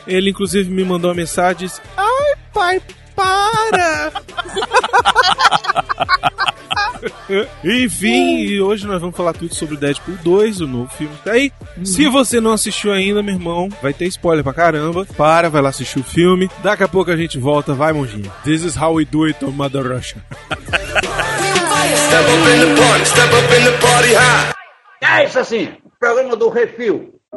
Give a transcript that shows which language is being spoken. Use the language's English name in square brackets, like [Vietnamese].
[Portuguese] Ele, inclusive, me mandou uma mensagem e disse: ai, pai, para! Enfim, e hoje nós vamos falar tudo sobre Deadpool 2, o novo filme que tá aí. Se você não assistiu ainda, meu irmão, vai ter spoiler pra caramba. Para, vai lá assistir o filme. Daqui a pouco a gente volta, vai, monjinha. [English] This is how we do it, Mother Russia. Step up in the party, step up in the party, ha! [Portuguese] É isso assim, programa do Refil.